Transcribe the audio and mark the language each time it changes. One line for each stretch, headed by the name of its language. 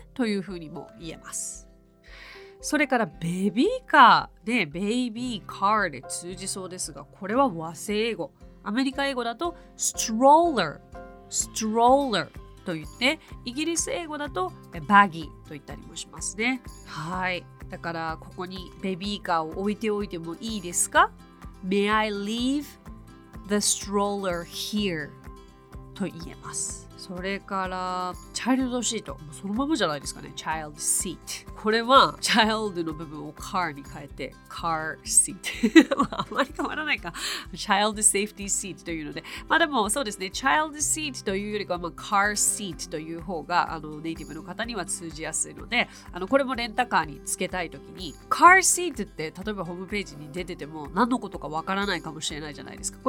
Japanese: というふうにも言えます。それからベビーカーで、ベイビーカーで通じそうですが、これは和製英語、アメリカ英語だとストローラーと言って、イギリス英語だとバギーと言ったりもしますね。はい、だからここにベビーカーを置いておいてもいいですか。
English: May I leave the stroller here
Japanese: と言えます。それからチャイルドシート、そのままじゃないですかね、 child seat。これはチャイルドの部分をカーに変えてカーシートあまり変わらないか、 child safety seat というので、まあでもそうですね、 child seat というよりかはカーシートという方があのネイティブの方には通じやすいので、あのこれもレンタカーにつけたいときにカーシートって例えばホームページに出てても何のことかわからないかもしれないじゃないですか。